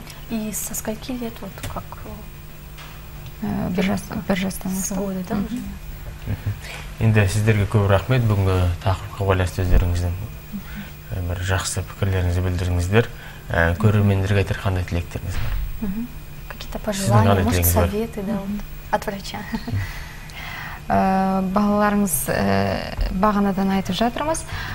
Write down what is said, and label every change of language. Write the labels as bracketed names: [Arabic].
[Russian] И со скольки лет вот как? [Kazakh] Бір жастан [Russian] с года, да? [Kazakh] Енді сіздерге көп рахмет бүгінгі тақырыпқа байланысты өздеріңіздің бір жақсы пікірлеріңізді білдіріңіздер. Көрермендерге айтар қандай тілектеріңіз бар? [Russian] Какие-то пожелания, может, советы от врача? [Kazakh] Балаларыңыз бағанадан айтып жатырмыз.